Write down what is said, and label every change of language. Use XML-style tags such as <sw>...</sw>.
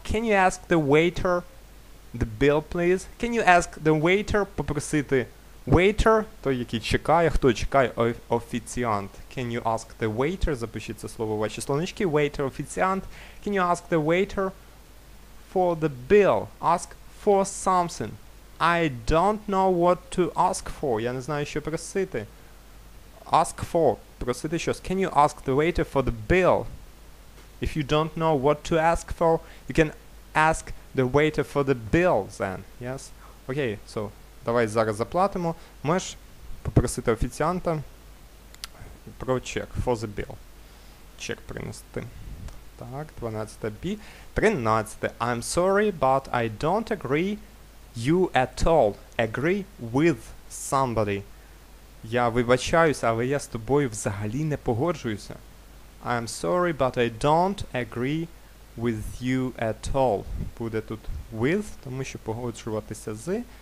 <en>Can you ask the waiter the bill, please? Can you ask the waiter попросити...</en> <uk>Waiter, той, який чекає, хто чекає, офіціант.</uk> <en>Can you ask the waiter,</en> <uk>запишіть це слово в ваші словнички, waiter, офіціант.</uk> <en>Can you ask the waiter for the bill? Ask for something. I don't know what to ask for.</en> <uk>Я не знаю, що просити.</uk> <en>Ask for,</en> <uk>просити щось.</uk> <en>Can you ask the waiter for the bill? If you don't know what to ask for, you can ask the waiter for the bill then. Yes? Okay, so...</en> <uk>Давай зараз заплатимо. Можеш попросити офіціанта про чек.</uk> <en>For the bill.</en> <uk>Чек принести. Так, 12-та B. 13-та.</uk> <en>I'm sorry, but I don't agree you at all. Agree with somebody.</en> <uk>Я вибачаюся, але я з тобою взагалі не погоджуюся.</uk> <en>I'm sorry, but I don't agree with you at all.</en> <uk>Буде тут with, тому що погоджуватися з.</uk>